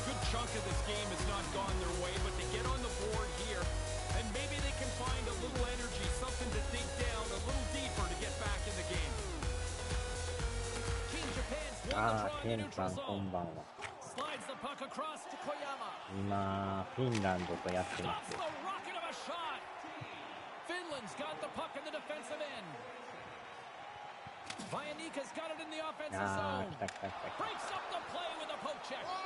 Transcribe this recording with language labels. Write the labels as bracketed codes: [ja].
[en] Chunk of this game has not gone their way, but they get on the board here, and maybe they can find a little energy, something to dig down a little deeper to get back in the game. King Japan's won the draw in neutral zone. [ja] こんばんは. [en] Slides the puck across to Koyama. [ja] 今フィンランドとやってる. [en] Stops the rocket of a shot. Finland's got the puck in the defensive end. Vianika's got it in the offensive zone. [ja] 来た. [en] Breaks up the play with a poke check.